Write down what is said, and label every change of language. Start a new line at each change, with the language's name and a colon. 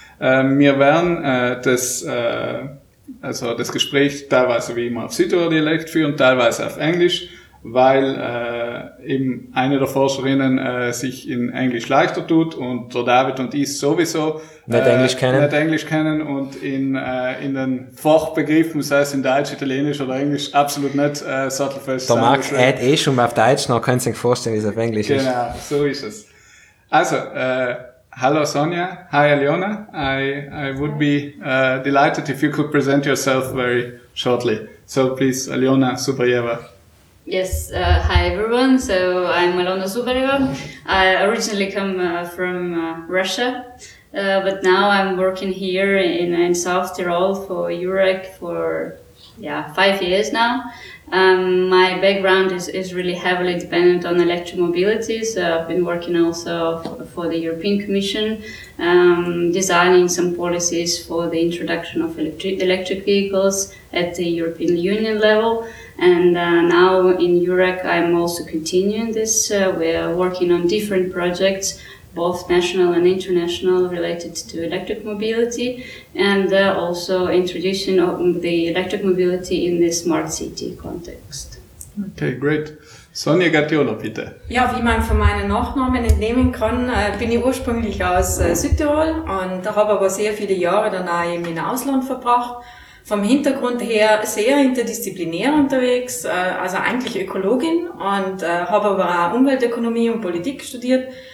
German: Wir werden das Gespräch teilweise wie immer auf Südtiroler-Dialekt führen, teilweise auf Englisch, weil eben eine der Forscherinnen sich in Englisch leichter tut und der David und ich sowieso nicht Englisch kennen und in den Fachbegriffen, sei es in Deutsch, Italienisch oder Englisch, absolut nicht sattelfest. Der Max hat eh schon mal auf Deutsch, noch könnt ihr euch vorstellen, wie es auf Englisch genau, ist. Genau, so ist es. Also, hallo Sonja, hi Aliona.
English: I would be delighted if you could present yourself very shortly. So please, Aliona Zubarieva. Yes, hi everyone. So I'm Aliona Zubarieva. I originally come from Russia, but now I'm working here in South Tyrol for EURAG for 5 years now. My background is really heavily dependent on electromobility, so I've been working also for the European Commission, designing some policies for the introduction of electric vehicles at the European Union level. And now in EURAG I'm also continuing this. We're working on different projects, both national and international, related to electric mobility, and also introducing the electric mobility in the smart city context. Okay, great. Sonja Gattiolo,
German: bitte. Ja, wie man von meinen Nachnamen entnehmen kann, bin ich ursprünglich aus Südtirol und habe aber sehr viele Jahre dann auch im Ausland verbracht. Vom Hintergrund her sehr interdisziplinär unterwegs, also eigentlich Ökologin, und habe aber auch Umweltökonomie und Politik studiert.